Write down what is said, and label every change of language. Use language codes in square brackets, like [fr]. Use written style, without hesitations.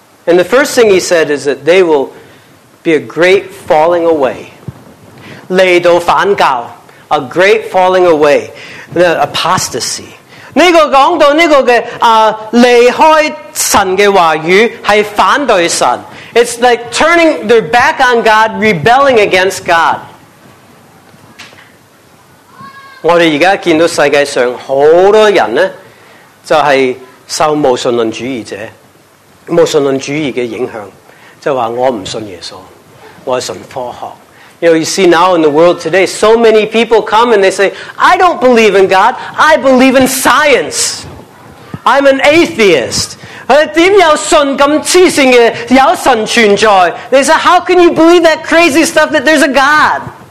[en] And the first thing he said is that they will be a great falling away. [zh] 来到反教。 [en] A great falling away. The apostasy. [zh] 这个讲到这个的离开神的话语是反对神。 [en] It's like turning their back on God, rebelling against God. [zh] 我们现在看到世界上很多人呢就是受无神论主义者无神论主义的影响就是说我不信耶稣我是信科学。 [en] You know, you see now in the world today, so many people come and they say, I don't believe in God. I believe in science. I'm an atheist. They say, how can you believe that crazy stuff that there's a God?